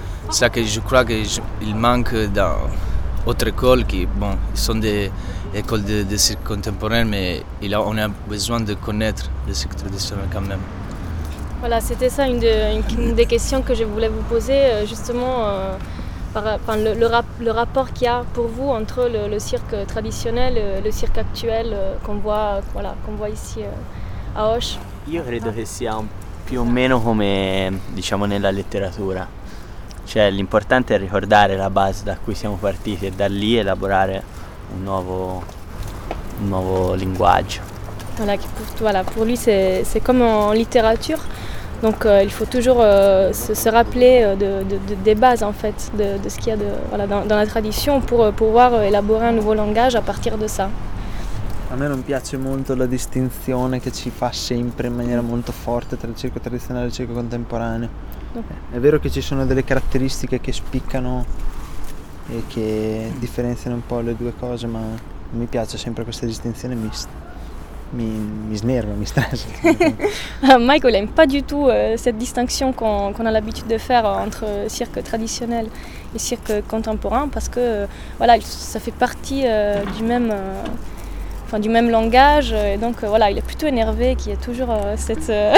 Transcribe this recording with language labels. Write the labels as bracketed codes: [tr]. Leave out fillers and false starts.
[fr] Ça que je crois qu'il manque dans d'autres écoles qui, bon, sont des écoles de cirque contemporain, mais on a besoin de connaître le cirque traditionnel quand même. Voilà, c'était ça une des questions que je voulais vous poser, justement, le rapport qu'il y a pour vous entre le cirque traditionnel et le cirque actuel qu'on voit ici à Auch. [it] Io credo che sia più o meno come, diciamo, nella letteratura. Cioè, l'importante è ricordare la base da cui siamo partiti e da lì elaborare un nuovo linguaggio. [fr] Voilà, pour lui c'est comme en littérature. Donc il faut toujours se rappeler des bases, en fait, de ce qu'il y a dans la tradition pour pouvoir élaborer un nouveau langage à partir de ça. [it] A me non piace molto la distinzione che ci fa sempre in maniera molto forte tra il circo tradizionale e il circo contemporaneo. È vero che ci sono delle caratteristiche che spiccano e che differenziano un po' le due cose, ma mi piace sempre questa distinzione mista. Mi snerva, mi stressa. [fr] Michael aime pas du tout cette distinction qu'on a l'habitude de faire entre cirque traditionnel et cirque contemporain, parce que voilà, ça fait partie du même langage, et donc voilà, il est plutôt énervé qu'il y ait toujours cette...